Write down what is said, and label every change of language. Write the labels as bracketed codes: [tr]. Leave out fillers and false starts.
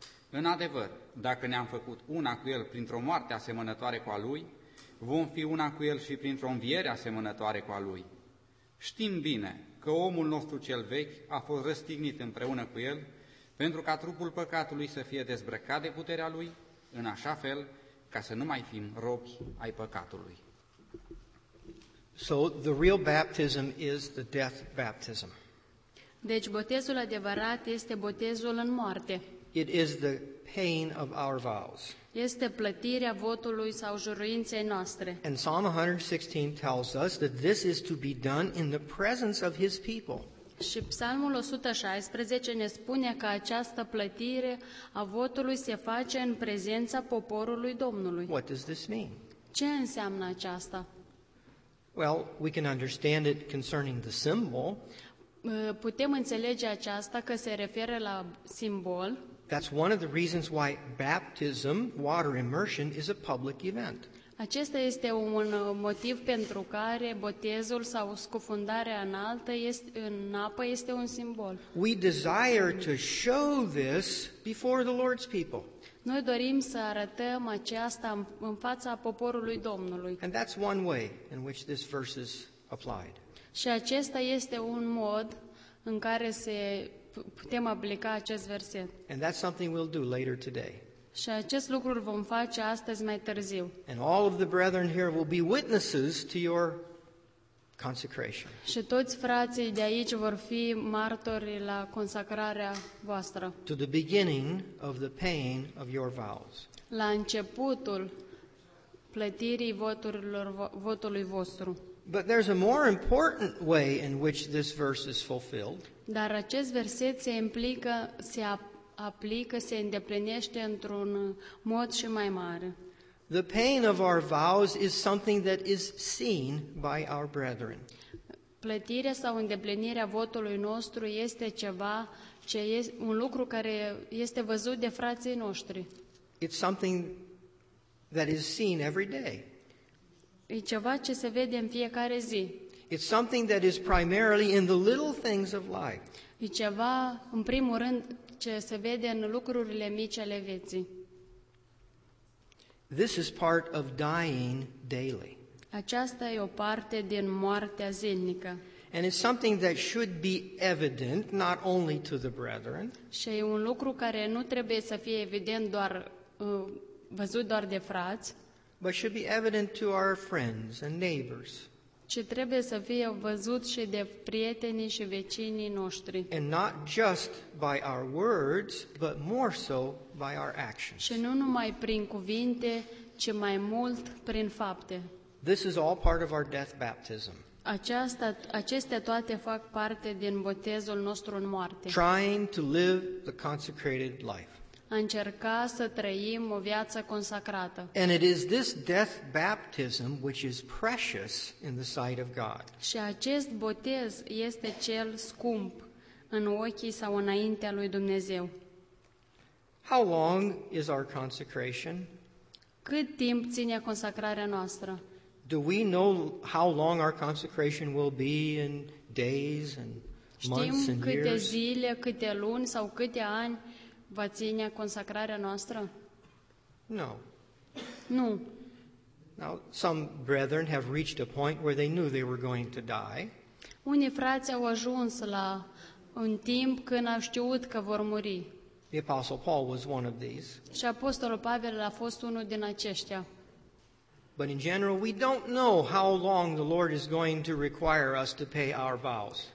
[ro] În adevăr, dacă ne-am făcut una cu El printr-o moarte asemănătoare cu a Lui, vom fi una cu El și printr-o înviere asemănătoare cu a Lui. Știm bine că omul nostru cel vechi a fost răstignit împreună cu el, pentru ca trupul păcatului să fie dezbrăcat de puterea lui, în așa fel ca să nu mai fim robi ai păcatului. [en] So the real baptism is the death baptism. [ro] Deci botezul adevărat este botezul în moarte. [en] It is the paying of our vows. [ro] Este plătirea votului sau juruinței noastre. [en] And Psalm 116 tells us that this is to be done in the presence of his people. [ro] Și Psalmul 116 ne spune că această plătire a votului se face în prezența poporului Domnului. [en] What does this mean? [ro] Ce înseamnă aceasta? [en] Well, we can understand it concerning the symbol. [ro] Putem înțelege aceasta că se referă la simbol. [en] That's one of the reasons why baptism, water immersion, is a public event. [ro] Acesta este un motiv pentru care botezul sau scufundarea în altă este în apă este un simbol. [en] We desire to show this before the Lord's people. [ro] Noi dorim să arătăm aceasta în fața poporului Domnului. [en] And that's one way in which this verse is applied. [ro] Și acesta este un mod în care se putem aplica acest verset. [en] And that's something we'll do later today. [ro] Și acest lucru îl vom face astăzi mai târziu. [en] And all of the brethren here will be witnesses to your consecration. [ro] Și toți frații de aici vor fi martori la consacrarea voastră. [en] To the beginning of the paying of your vows. [ro] La începutul plătirii votului vostru. [en] But there's a more important way in which this verse is fulfilled. [ro] Dar acest verset se implică, se aplică, se îndeplinește într-un mod și mai mare. [en] The paying of our vows is something that is seen by our brethren. [ro] Plătirea sau îndeplinirea votului nostru este ceva ce este un lucru care este văzut de frații noștri. [en] It's something that is seen every day. [ro] E ceva ce se vede în fiecare zi. [en] It's something that is primarily in the little things of life. [ro] E ceva, în primul rând, ce se vede în lucrurile mici ale vieții. [en] This is part of dying daily. [ro] Aceasta e o parte din moartea zilnică. [en] And it's something that should be evident not only to the brethren. [ro] Și e un lucru care nu trebuie să fie evident doar văzut doar de frați. [en] But should be evident to our friends and neighbors. [ro] ci trebuie să fie văzut și de prietenii și vecinii noștri. [en] And not just by our words, but more so by our actions. [ro] Și nu numai prin cuvinte, ci mai mult prin fapte. [en] This is all part of our death baptism. [ro] Acestea toate fac parte din botezul nostru în moarte. [en] Trying to live the consecrated life. [ro] A încerca să trăim o viață consacrată. [en] And it is this death baptism which is precious in the sight of God. [ro] Și acest botez este cel scump în ochii sau înaintea lui Dumnezeu. [en] How long is our consecration? [ro] Cât timp ține consacrarea noastră? [en] Do we know how long our consecration will be in days and months and years? [ro] Știm câte zile, câte luni sau câte ani va ține consacrarea noastră? [en] No. [ro] Nu. [en] Now, some brethren have reached a point where they knew they were going to die. [ro] Unii frați au ajuns la un timp când au știut că vor muri. [en] The Apostle Paul was one of these. [ro] Și Apostolul Pavel a fost unul din aceștia. [en] But in general, we don't know how long the Lord is going to require us to pay our vows.